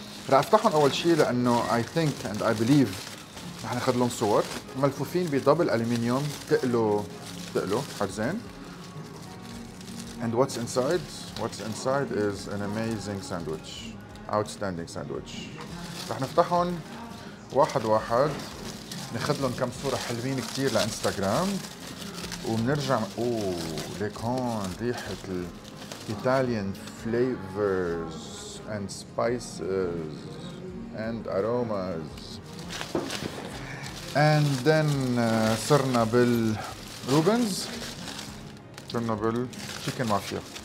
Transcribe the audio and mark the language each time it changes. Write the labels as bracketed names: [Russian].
[Arabic] رح افتحهم اول شيء لانه [English] I think and I believe [Arabic] رح ناخذ لهم صور. ملفوفين بدبل الومنيوم تقلو حرزين. [English] And what's inside? What's inside is an amazing sandwich. Outstanding sandwich. [Arabic] رح نفتحهم واحد واحد. ناخذ لهم كم صورة حلوين كتير لانستغرام. ومنرجع ليك هون ريحة الإيطاليان [English] flavors and spices and aromas and then [Arabic] صرنا بالروبنز صرنا بالشيكن مافيا